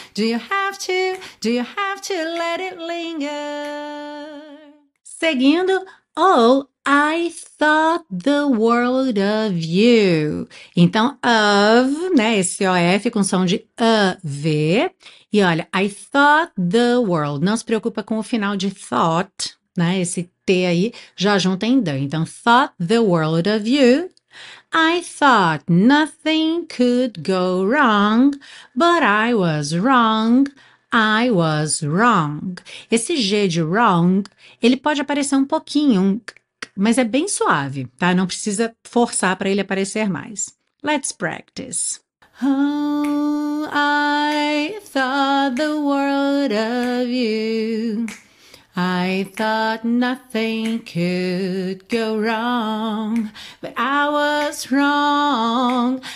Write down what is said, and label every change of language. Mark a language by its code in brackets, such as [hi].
[en] Do you have to? Do you have to let it linger? Seguindo, oh, I thought the world of you. [pt] Então, of, né, esse OF com som de AV. E olha, [en] I thought the world. [pt] Não se preocupa com o final de thought, né, esse T aí já junta em the. [en] Então, thought the world of you. I thought nothing could go wrong, but I was wrong. I was wrong. [pt] Esse G de wrong, ele pode aparecer um pouquinho, mas é bem suave, tá? Não precisa forçar para ele aparecer mais. [en] Let's practice. Oh, I thought the world of you. I thought nothing could go wrong, but I was wrong.